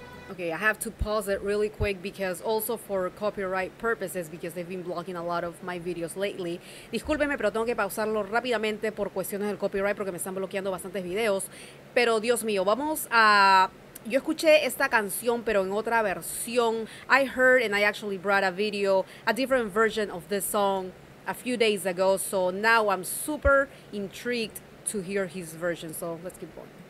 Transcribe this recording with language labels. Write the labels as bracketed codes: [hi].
[en] Okay, I have to pause it really quick because also for copyright purposes, because they've been blocking a lot of my videos lately. [es] Discúlpeme, pero tengo que pausarlo rápidamente por cuestiones del copyright porque me están bloqueando bastantes videos. Pero Dios mío, vamos a... Yo escuché esta canción, pero en otra versión. [en] I heard and I actually brought a video, a different version of this song a few days ago. So now I'm super intrigued to hear his version. So let's keep going.